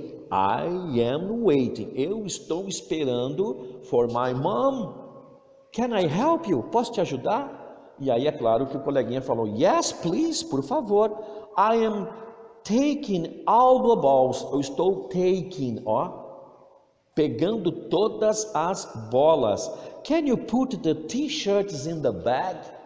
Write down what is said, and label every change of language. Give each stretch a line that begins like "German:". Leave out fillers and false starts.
English: I am waiting.
Portuguese: Eu estou esperando
English: for my mom. Can I help you?
Portuguese: Posso te ajudar? E aí é claro que o coleguinha falou,
English: yes, please,
Portuguese: por favor.
English: I am taking all the balls.
Portuguese: Eu estou taking, ó, pegando todas as bolas.
English: Can you put the t-shirts in the bag?